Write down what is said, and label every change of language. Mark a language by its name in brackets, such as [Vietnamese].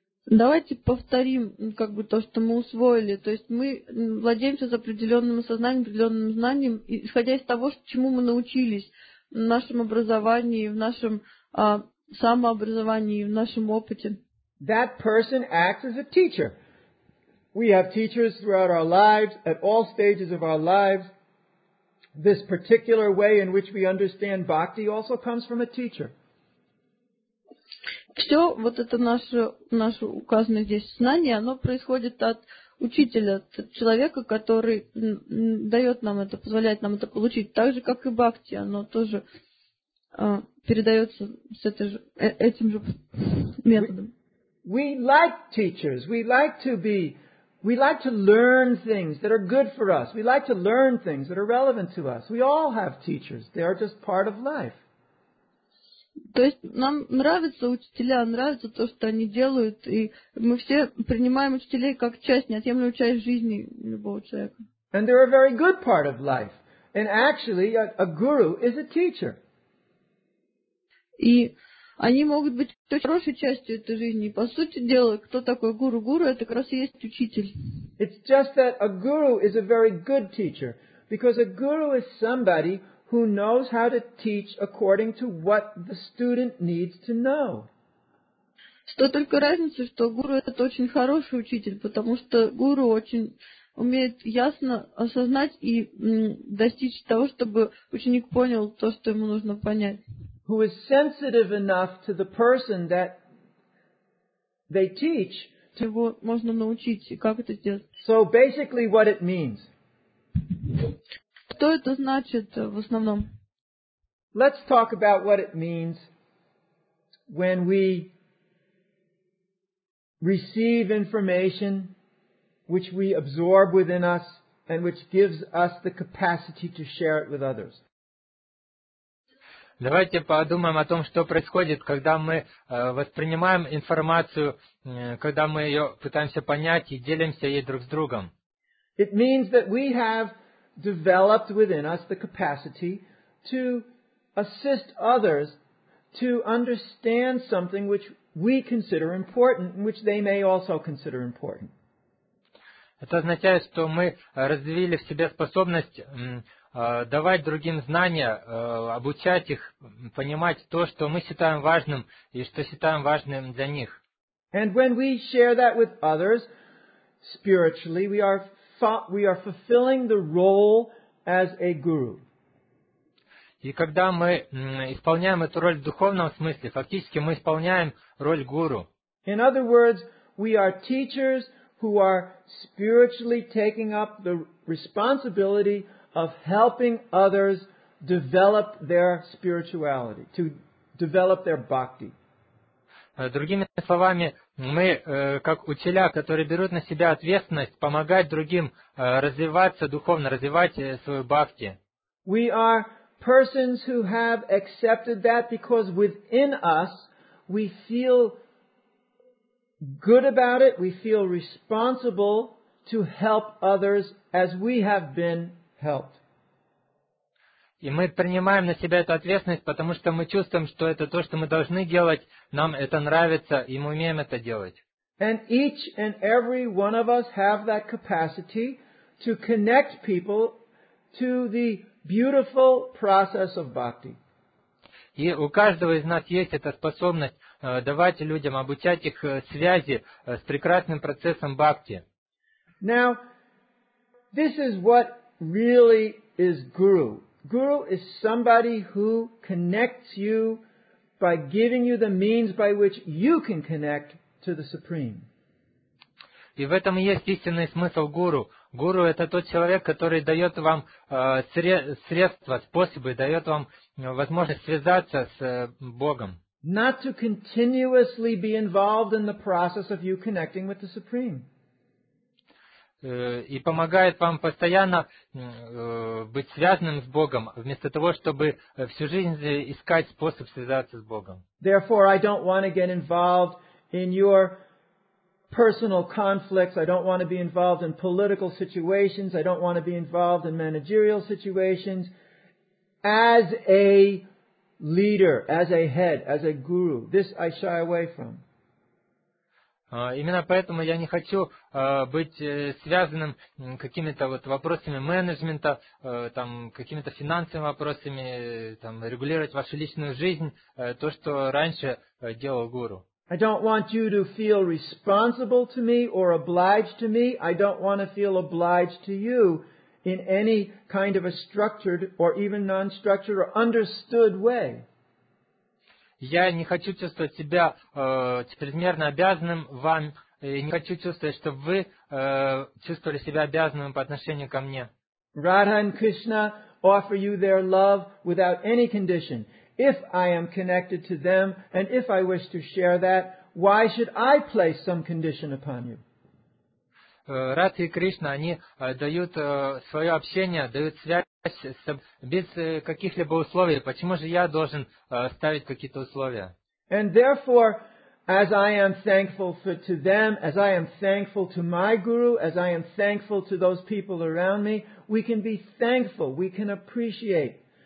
[Russian] Давайте повторим, как бы, то, что мы усвоили. То есть мы владеемся с определенным сознанием, определенным знанием, исходя из того, чему мы научились в нашем образовании, в нашем самообразовании, в нашем опыте. [English] That person acts as a teacher. We have teachers throughout our lives, at all stages of our lives. This particular way in which we understand bhakti also comes from a teacher. [Russian] Все вот это наше указанное здесь знание, оно происходит от учителя, от человека, который дает нам это, позволяет нам это получить. Так же, как и бхакти, оно тоже передается с этим же методом. [English] We like teachers. We like to learn things that are good for us. We like to learn things that are relevant to us. We all have teachers. They are just part of life. [Russian] То есть нам нравятся учителя, нравится то, что они делают, и мы все принимаем учителей как часть, неотъемлемую часть жизни любого человека. [English] And they're a very good part of life. And actually, a guru is a teacher. [Russian] И они могут быть хорошей частью этой жизни. И по сути дела, кто такой гуру? Гуру — это как раз и есть учитель. [English] It's just that a guru is a very good teacher. Because a guru is somebody who knows how to teach according to what the student needs to know. [Russian] Что только разница, что гуру — это очень хороший учитель, потому что гуру очень умеет ясно осознать и достичь того, чтобы ученик понял то, что ему нужно понять. [English] Who is sensitive enough to the person that they teach. [Russian] Его можно научить, и как это сделать? [English] So basically what it means. [Russian] Что это значит в основном? [English] Let's talk about what it means when we receive information which we absorb within us and which gives us the capacity to share it with others. [Russian] Давайте подумаем о том, что происходит, когда мы воспринимаем информацию, когда мы ее пытаемся понять и делимся ей друг с другом. [English] It means that we have developed within us the capacity to assist others to understand something which we consider important, which they may also consider important. [Russian] Это означает, что мы развили в себе способность давать другим знания, обучать их понимать то, что мы считаем важным и что считаем важным для них. [English] And when we share that with others spiritually, we are fulfilling the role as a guru. [Russian] И когда мы исполняем эту роль в духовном смысле, фактически мы исполняем роль гуру. [English] In other words, we are teachers who are spiritually taking up the responsibility of helping others develop their spirituality, to develop their bhakti. [Russian] Другими словами, мы как учителя, которые берут на себя ответственность помогать другим развиваться духовно, развивать свою бхакти. [English] We are persons who have accepted that because within us we feel good about it, we feel responsible to help others as we have been helped. [Russian] И мы принимаем на себя эту ответственность, потому что мы чувствуем, что это то, что мы должны делать, нам это нравится, и мы умеем это делать. [English] And each and every one of us have that capacity to connect people to the beautiful process of bhakti. [Russian] И у каждого из нас есть эта способность давать людям, обучать их связи с прекрасным процессом бхакти. [English] Now, this is what really is guru. Guru is somebody who connects you by giving you the means by which you can connect to the Supreme. [Russian] И в этом и есть истинный смысл гуру. Гуру — это тот человек, который дает вам средства, способы, дает вам возможность связаться с Богом. [English] Not to continuously be involved in the process of you connecting with the Supreme. [Russian] И помогает вам постоянно быть связанным с Богом, вместо того, чтобы всю жизнь искать способ связаться с Богом. [English] Therefore, I don't want to get involved in your personal conflicts. I don't want to be involved in political situations. I don't want to be involved in managerial situations. As a leader, as a head, as a guru, this I shy away from. [Russian] Именно поэтому я не хочу быть связанным какими-то вот вопросами менеджмента, там, какими-то финансовыми вопросами, там, регулировать вашу личную жизнь, то, что раньше делал гуру. [English] I don't want you to feel responsible to me or obliged to me. I don't want to feel obliged to you in any kind of a structured or even non-structured or understood way. [Russian] Я не хочу чувствовать себя чрезмерно обязанным вам, и не хочу чувствовать, чтобы вы чувствовали себя обязанным по отношению ко мне. [English] Radha and Krishna offer you their love without any condition. If I am connected to them, and if I wish to share that, why should I place some condition upon you? [Russian] Радха и Кришна, они дают свое общение, дают связь без каких-либо условий. Почему же я должен ставить какие-то условия? [English] And therefore, as I am thankful to them, as I am thankful to my guru, as I am thankful to those people around me, we can be thankful, we can appreciate.